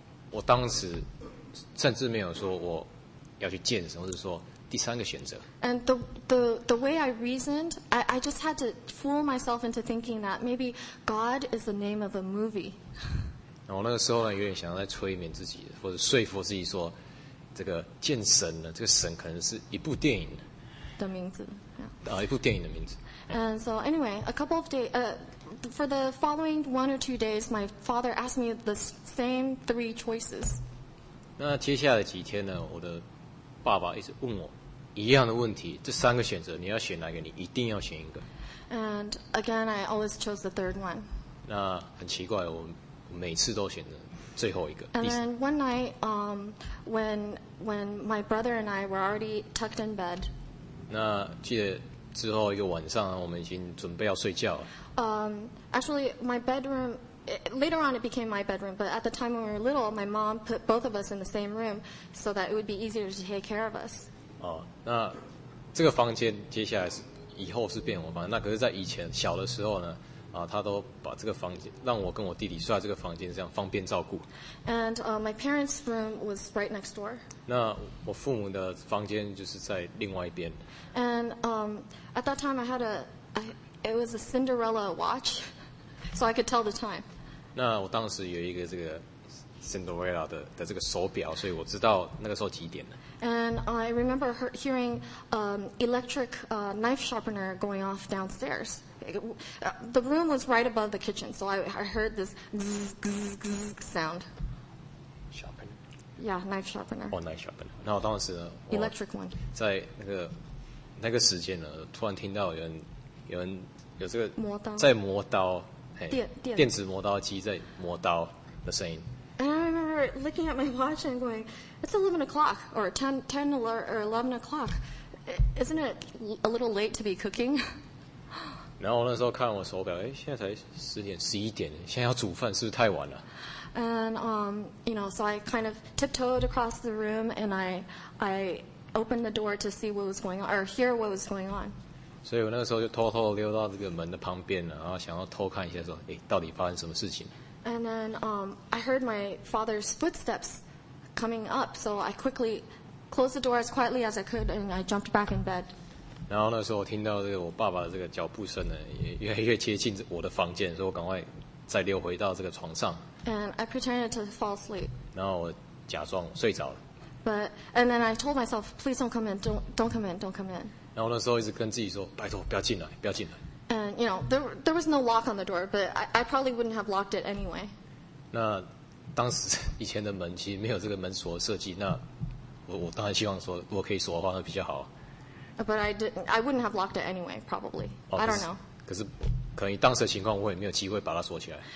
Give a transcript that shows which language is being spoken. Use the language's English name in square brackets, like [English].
[Chinese] 我当时甚至没有说我要去见神，或者说。第三个选择。 [English] And the way I reasoned, I just had to fool myself into thinking that maybe God is the name of a movie. [Chinese] 然后那个时候呢，有点想要在催眠自己，或者说服自己说，这个见神呢，这个神可能是一部电影的名字。一部电影的名字。 [English] And so anyway, a couple of days, for the following one or two days, my father asked me the same three choices. [Chinese] 那接下来几天呢，我的爸爸一直问我一样的问题，这三个选择你要选哪个？你一定要选一个。 [English] And again, I always chose the third one. [Chinese] 那很奇怪，我每次都选择最后一个。 [English] And then one night, when my brother and I were already tucked in bed. [Chinese] 那记得之后一个晚上，我们已经准备要睡觉了。 [English] Actually, my bedroom. Later on, it became my bedroom. But at the time when we were little, my mom put both of us in the same room so that it would be easier to take care of us. [Chinese] 哦，那这个房间接下来是以后是变我房。那可是，在以前小的时候呢，他都把这个房间让我跟我弟弟睡在这个房间，这样方便照顾。 [English] And my parents' room was right next door. [Chinese] 那我父母的房间就是在另外一边。 [English] And at that time, it was a Cinderella watch. So I could tell the time. [Chinese] 那我当时有一个这个 Cinderella 的这个手表，所以我知道那个时候几点了。 [English] And I remember hearing electric knife sharpener going off downstairs. The room was right above the kitchen, so I heard this zzz, zzz, zzz sound. Sharpener. Yeah, knife sharpener. Oh, knife sharpener. [Chinese] 那我当时呢 [English] electric one. [Chinese] 在那个时间呢，突然听到有人有这个磨刀在磨刀。电子磨刀机在磨刀的声音。 [English] And I remember looking at my watch and going, "It's 11 o'clock, or ten or 11 o'clock. Isn't it a little late to be cooking?" [Chinese] 然后我那时候看我手表，现在才10点11点，现在要煮饭是不是太晚了 [English] ？And you know, so I kind of tiptoed across the room and I opened the door to see what was going on or hear what was going on. [Chinese] 所以我那个时候就偷偷溜到这个门的旁边了，然后想要偷看一下，说：“哎，到底发生什么事情？” [English] And then, I heard my father's footsteps coming up, so I quickly closed the door as quietly as I could, and I jumped back in bed. [Chinese] 然后那时候我听到这个我爸爸的这个脚步声呢，也越来越接近我的房间，所以我赶快再溜回到这个床上。 [English] And I pretended to fall asleep. [Chinese] 然后我假装睡着了。 [English] But and then I told myself, please don't come in, don't come in, don't come in. [Chinese] 然后那时候一直跟自己说：“拜托，不要进来，不要进来。” [English] And you know, there was no lock on the door, but I probably wouldn't have locked it anyway. [Chinese] 那当时以前的门其实没有这个门锁设计，那我当然希望说，如果可以锁的话，那比较好。 [English] But I wouldn't have locked it anyway, probably. I don't know. [Chinese] 可是可能当时的情况，我也没有机会把它锁起来。